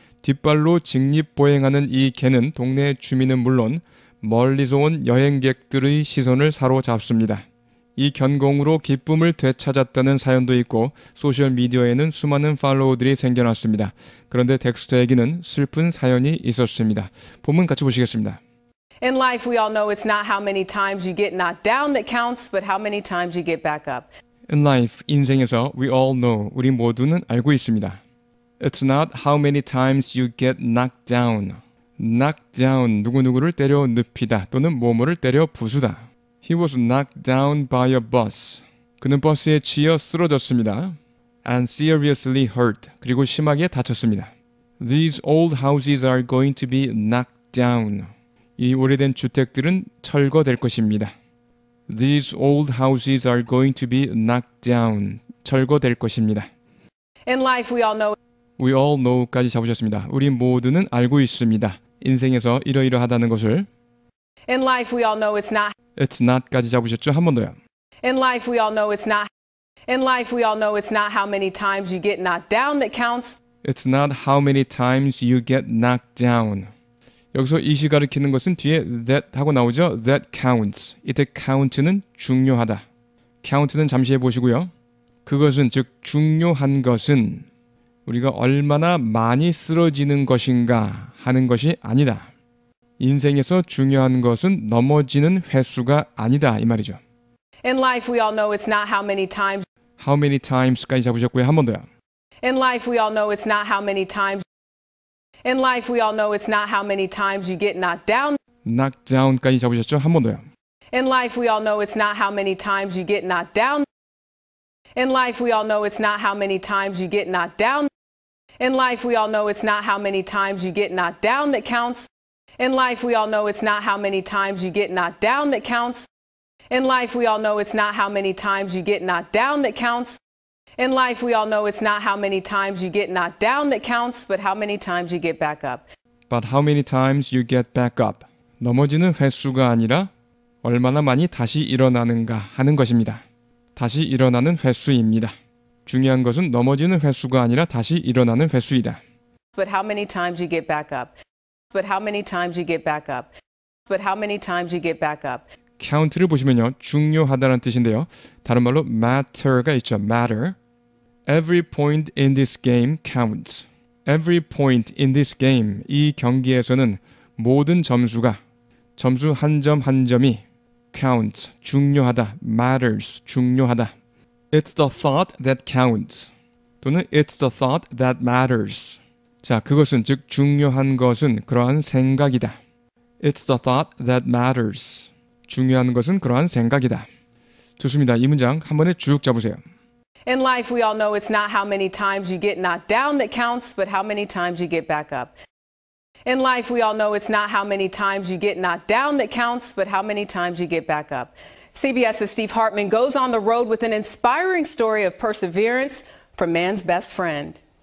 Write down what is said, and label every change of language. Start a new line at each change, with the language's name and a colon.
Korean: 뒷발로 직립 보행하는 이 개는 동네 주민은 물론 멀리서 온 여행객들의 시선을 사로잡습니다. 이 견공으로 기쁨을 되찾았다는 사연도 있고 소셜미디어에는 수많은 팔로우들이 생겨났습니다. 그런데 덱스터에게는 슬픈 사연이 있었습니다. 본문 같이 보시겠습니다.
English: In life, we all know it's not how many times you get knocked down that counts, but how many times you get back up. In life,
Korean: 인생에서
English: we all know,
Korean: 우리 모두는 알고 있습니다.
English: It's not how many times you get knocked down.
Korean: Knocked down, 누구누구를 때려 눕히다 또는 뭐뭐를 때려 부수다.
English: He was knocked down by a bus.
Korean: 그는 버스에 치여 쓰러졌습니다.
English: And seriously hurt.
Korean: 그리고 심하게 다쳤습니다.
English: These old houses are going to be knocked down.
Korean: 이 오래된 주택들은 철거될 것입니다.
English: These old houses are going to be knocked down.
Korean: 철거될 것입니다.
English: In life, we all know. We all know
Korean: 까지 잡으셨습니다. 우리 모두는 알고 있습니다. 인생에서 이러이러하다는 것을.
English: In life, we all know it's not. It's not
Korean: 까지 잡으셨죠? 한 번 더요.
English: In life, we all know it's not. In life, we all know it's not how many times you get knocked down that counts. It's not how many times you get knocked down.
Korean: 여기서 이시 가르치는 것은 뒤에 that 하고 나오죠.
English: That counts.
Korean: 이때 count는 중요하다. count는 잠시 해보시고요. 그것은 즉 중요한 것은 우리가 얼마나 많이 쓰러지는 것인가 하는 것이 아니다. 인생에서 중요한 것은 넘어지는 횟수가 아니다 이 말이죠.
English: In life we all know it's not how many times. How many times
Korean: 까지 잡으셨고요. 한 번 더요.
English: In life we all know it's not how many times. In life we all know it's not how many times you get knocked down. Knocked down
Korean: 까지 잡으셨죠. 한 번 더요.
English: In life we all know it's not how many times you get knocked down. In life we all know it's not how many times you get knocked down. In life we all know it's not how many times you get knocked down that counts. In life, we all know it's not how many times you get knocked down that counts. In life, we all know it's not how many times you get knocked down that counts. In life, we all know it's not how many times you get knocked down that counts, but how many times you get back up. But how many times you get back up?
Korean: 넘어지는 횟수가 아니라 얼마나 많이 다시 일어나는가 하는 것입니다. 다시 일어나는 횟수입니다. 중요한 것은 넘어지는 횟수가 아니라 다시 일어나는 횟수이다.
English: But how many times you get back up? But how many times you get back up? But how many times you get back up?
Korean: Count를 보시면요, 중요하다는 뜻인데요. 다른 말로 matter가 있죠. Matter.
English: Every point in this game counts. Every point in this game.
Korean: 이 경기에서는 모든 점수가 점수 한 점 한 점이 counts. 중요하다. Matters. 중요하다.
English: It's the thought that counts. 또는 it's the thought that matters.
Korean: 자, 그것은 즉 중요한 것은 그러한 생각이다.
English: It's the thought that matters.
Korean: 중요한 것은 그러한 생각이다. 좋습니다. 이 문장 한 번에 쭉 잡으세요.
English: In life we all know it's not how many times you get knocked down that counts, but how many times you get back up. In life we all know it's not how many times you get knocked down that counts, but how many times you get back up. CBS's Steve Hartman goes on the road with an inspiring story of perseverance from man's best friend.